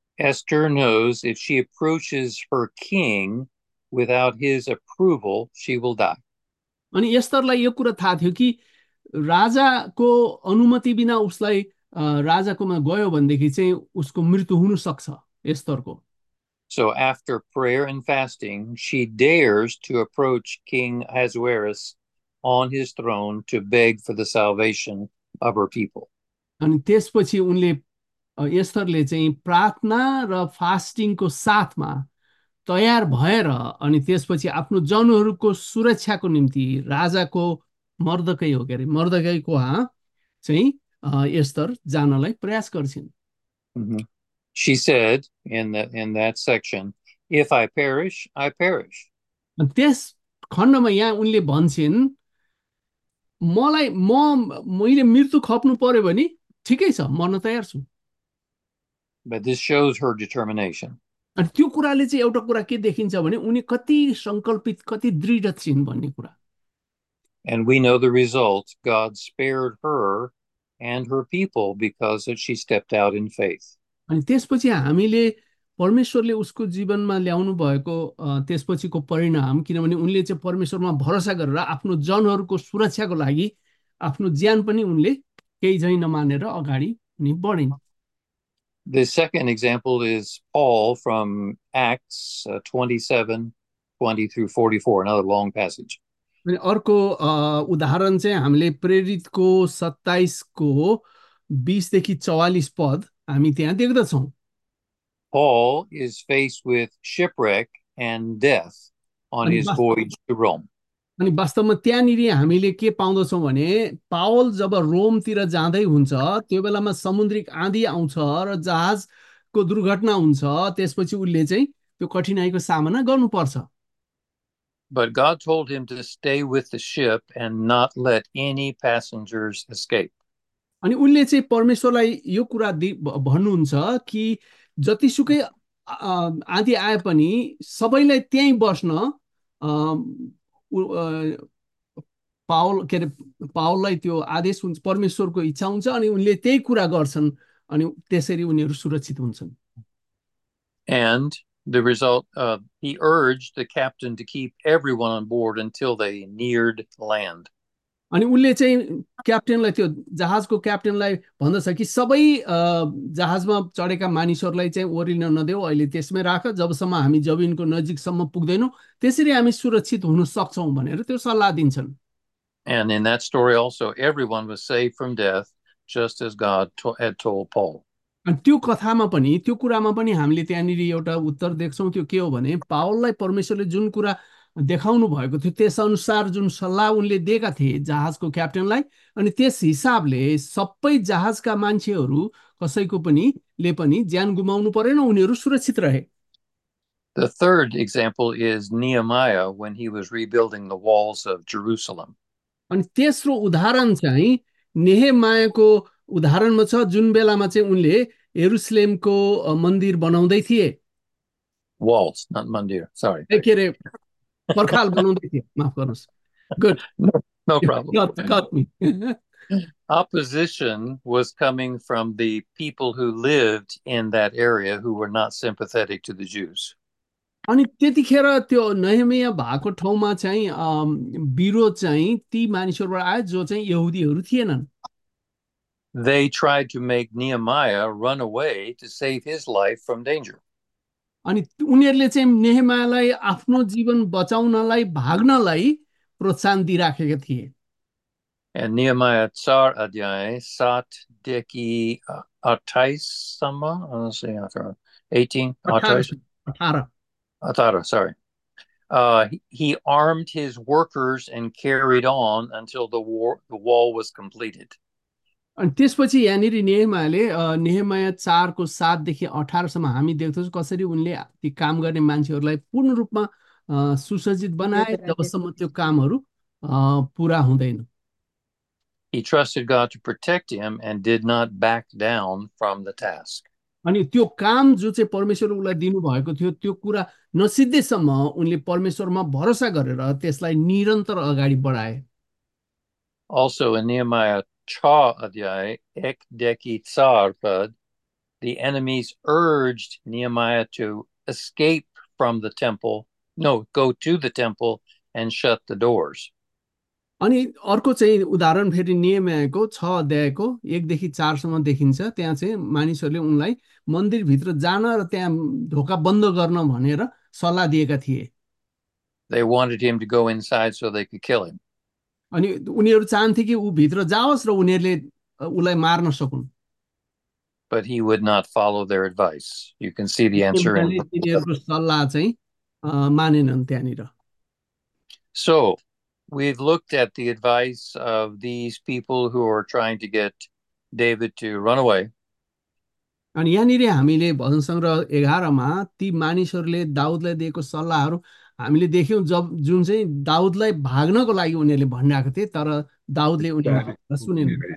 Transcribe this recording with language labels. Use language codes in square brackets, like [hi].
[en] Esther knows if she approaches her king without his approval, she will die. [ne] अनि यस्तरलाई यो कुरा थाहा थियो कि राजाको अनुमति बिना उसलाई राजाकोमा गयो भनेदेखि चाहिँ उसको मृत्यु हुन सक्छ यस्तरको। [en] So after prayer and fasting, she dares to approach King Ahasuerus on his throne to beg for the salvation of her people. [ne] अनि त्यसपछि उनले यस्तरले चाहिँ प्रार्थना र फास्टिङको साथमा तयार भएर अनि त्यसपछि आफ्नो जनहरूको सुरक्षाको निम्ति राजाको मर्दकै हो के अरे मर्दकैको हा चाहिँ यस्तर जानलाई प्रयास गर्छिन्। [en] She said in that section, if I perish, I perish. [ne] अनि त्यस खण्डमा यहाँ उनले भन्छन् मलाई म मैले मृत्यु खप्नु पर्यो भने ठिकै छ मर्न तयार छु। [en] But this shows her determination. [ne] अनि त्यो कुराले चाहिँ एउटा कुरा के देखिन्छ भने उनी कति संकल्पित कति दृढ छिन् भन्ने कुरा। [en] And we know the result. God spared her and her people because she stepped out in faith. [ne] अनि त्यसपछि हामीले परमेश्वरले उसको जीवनमा ल्याउनु भएको त्यसपछिको परिणाम किनभने उनले चाहिँ परमेश्वरमा भरोसा गरेर आफ्नो जनहरूको सुरक्षाको लागि आफ्नो ज्यान पनि उनले केही झैँ नमानेर अगाडि नि बढिन्। [en] The second example is Paul from Acts 27:20-44, another long passage. [ne] अनि अर्को उदाहरण चाहिँ हामीले प्रेरितको 27:20-44 हामी त्यहाँ देख्दछौँ। [en] Paul is faced with shipwreck and death on his voyage to Rome. [ne] अनि वास्तवमा त्यहाँनिर हामीले के पाउँदछौँ भने पावल जब रोमतिर जाँदै हुन्छ त्यो बेलामा समुद्रिक आँधी आउँछ र जहाजको दुर्घटना हुन्छ त्यसपछि उसले चाहिँ त्यो कठिनाइको सामना गर्नुपर्छ। [en] But God told him to stay with the ship and not let any passengers escape. [ne] अनि उसले चाहिँ परमेश्वरलाई यो कुरा भन्नुहुन्छ कि जतिसुकै आदि आए पनि सबैलाई त्यहीँ बस्न पावल के अरे पावललाई त्यो आदेश हुन्छ, परमेश्वरको इच्छा हुन्छ, अनि उनले त्यही कुरा गर्छन् अनि त्यसरी उनीहरू सुरक्षित हुन्छन्। [en] And the result, he urged the captain to keep everyone on board until they neared land. [ne] अनि उनले चाहिँ क्याप्टेनलाई, त्यो जहाजको क्याप्टेनलाई भन्दछ कि सबै जहाजमा चढेका मानिसहरूलाई चाहिँ ओर्लिन नदेऊ, अहिले त्यसमै राख, जबसम्म हामी जमिनको नजिकसम्म पुग्दैनौँ त्यसरी हामी सुरक्षित हुन सक्छौँ भनेर त्यो सल्लाह दिन्छन्। [en] And in that story also, everyone was saved from death, just as God had told Paul. [ne] त्यो कथामा पनि, त्यो कुरामा पनि हामीले त्यहाँनिर एउटा उत्तर देख्छौँ, त्यो के हो भने पावललाई परमेश्वरले जुन कुरा देखाउनु भएको थियो त्यसअनुसार जुन सल्लाह उनले दिएका थिए जहाजको क्याप्टेनलाई, अनि त्यस हिसाबले सबै जहाजका मान्छेहरू कसैको पनि ले पनि ज्यान गुमाउनु परेन, उनीहरू सुरक्षित रहे। [en] The third example is Nehemiah when he was rebuilding the walls of Jerusalem. [ne] अनि तेस्रो उदाहरण चाहिँ नेहेमायाको उदाहरणमा छ, जुन बेलामा चाहिँ उनले यरुसलेमको मन्दिर बनाउँदै थिए, [en] Walls, not mandir, sorry. [ne] के अरे पर्खाल बनाउँदै थिए, माफ गर्नुहोस्। [en] Good, No, no problem. Got me. Opposition was coming from the people who lived in that area who were not sympathetic to the Jews. [ne] अनि त्यतिखेर त्यो नहेमिया भएको ठाउँमा चाहिँ विरोध चाहिँ ती मानिसहरूबाट आयो जो चाहिँ यहुदीहरू थिएनन्। [en] They tried to make Nehemiah run away to save his life from danger. [ne] अनि उनीहरूले चाहिँ नेहमायालाई आफ्नो जीवन बचाउनलाई, भाग्नलाई प्रोत्साहन दिइराखेका थिए। [en] And Nehemiah 4:28-सम्म, let's see, 18, 28, 18 Atara, sorry. He armed his workers and carried on until the wall was completed. [ne] अनि त्यसपछि यहाँनिर नेहमायाले नेहमाया 4:7-18 हामी देख्दछौँ कसरी उनले ती काम गर्ने मान्छेहरूलाई पूर्ण रूपमा सुसज्जित बनाए जबसम्म त्यो कामहरू पुरा हुँदैन। [en] He trusted God to protect him and did not back down from the task. [ne] अनि त्यो काम जो चाहिँ परमेश्वरले उसलाई दिनुभएको थियो त्यो कुरा नसिद्धेसम्म उनले परमेश्वरमा भरोसा गरेर त्यसलाई निरन्तर अगाडि बढाए। [en] Also in Nehemiah 6:1-4, the enemies urged Nehemiah to escape from the temple. No, go to the temple and shut the doors. [ne] अनि अर्को चाहिँ उदाहरण फेरि नियमको 6:1-4 देखिन्छ, त्यहाँ चाहिँ मानिसहरूले उनलाई मन्दिरभित्र जान र त्यहाँ ढोका बन्द गर्न भनेर सल्लाह दिएका थिए। [en] They wanted him to go inside so they could kill him. [ne] अनि उनीहरू चाहन्थे कि ऊ भित्र जाओस् र उनीहरूले उसलाई मार्न सकुन्। [en] But he would not follow their advice. You can see the answer in [ne] तिनीहरूको सल्लाह चाहिँ मानेनन् त्यहाँनिर। [en] So, we've looked at the advice of these people who are trying to get David to run away. [ne] अनि यहाँनिर हामीले भजन सङ्ग्रह 11 ती मानिसहरूले दाउदलाई दिएको सल्लाहहरू हामीले देख्यौँ, जब जुन चाहिँ दाउदलाई भाग्नको लागि उनीहरूले भनिरहेको थिए तर दाउदले उनीहरूलाई सुनेन।